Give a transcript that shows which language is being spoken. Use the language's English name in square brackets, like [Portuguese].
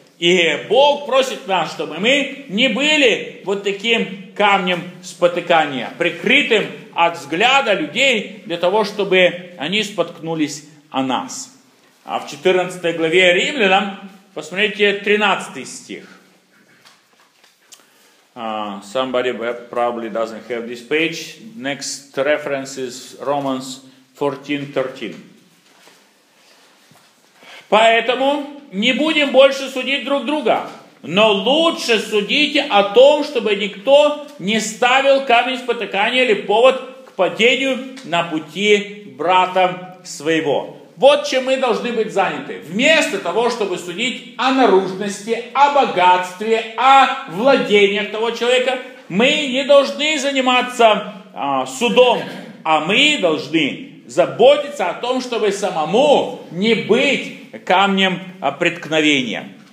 [Russian] И Бог просит нас, чтобы мы не были вот таким камнем спотыкания, прикрытым от взгляда людей, для того, чтобы они споткнулись о нас. А в 14 главе Римлянам, посмотрите, 13 стих. [English] Somebody probably doesn't have this page. Next reference is Romans 14:13. [Russian] Поэтому не будем больше судить друг друга, но лучше судите о том, чтобы никто не ставил камень спотыкания или повод к падению на пути брата своего. Вот чем мы должны быть заняты. Вместо того, чтобы судить о наружности, о богатстве, о владениях того человека, мы не должны заниматься судом, а мы должны заботиться о том, чтобы самому не быть камнем преткновения.